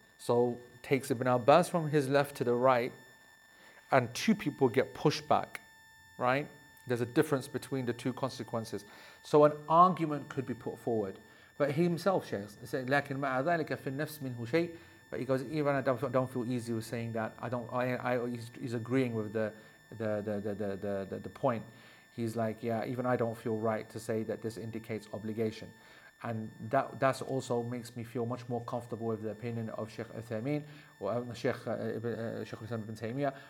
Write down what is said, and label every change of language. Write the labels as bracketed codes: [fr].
[en] So takes Ibn Abbas from his left to the right and two people get pushed back, right? There's a difference between the two consequences. So an argument could be put forward. But he himself says, [ar] لكن مع ذلك في النفس منه شيء. [en] But he goes, even I don't feel easy with saying that. He's agreeing with the point. He's like, yeah, even I don't feel right to say that this indicates obligation. And that also makes me feel much more comfortable with the opinion of Sheikh Uthaymeen or Sheikh Ibn Taymiyyah.